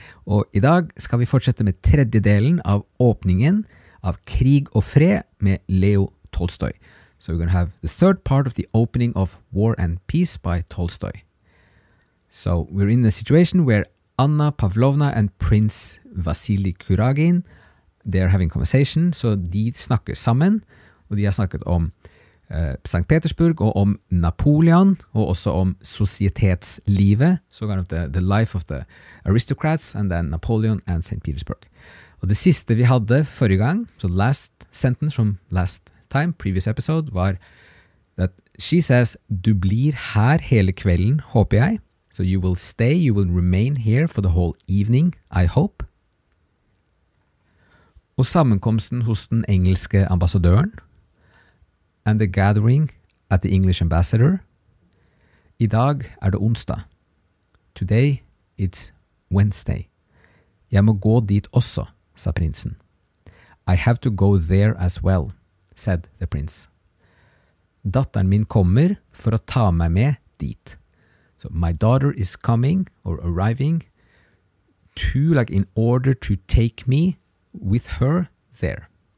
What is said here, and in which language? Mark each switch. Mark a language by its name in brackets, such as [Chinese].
[Norwegian] Og I dag skal vi fortsette med tredje delen av åpningen av Krig og fred med Leo Tolstoy. [English] So we're going to have the third part of the opening of War and Peace by Tolstoy. So we're in a situation where Anna Pavlovna and Prince Vasily Kuragin they're having conversation, so [Norwegian] de snakker sammen, og de har snakket om St. [English] Petersburg, [Norwegian] og om Napoleon, og også om societetslivet, [English] so kind of the life of the aristocrats, and then Napoleon and St. Petersburg. [Norwegian] Og det siste vi hadde forrige gang, [English] so last sentence from last time, previous episode, [Norwegian] var [English] that she says, [Norwegian] du blir her hele kvelden, håper jeg. [English] So you will stay, you will remain here for the whole evening, I hope. [Norwegian] Og sammenkomsten hos den engelske ambassadøren [English] and the gathering at the English ambassador. [Norwegian] I dag det onsdag. [English] Today it's Wednesday. [Norwegian] Jeg må gå dit også, sa prinsen. [English] I have to go there as well, said the prince. [Norwegian] Datteren min kommer for å ta meg med dit. [English] So my daughter is coming or arriving to like in order to take me with her there.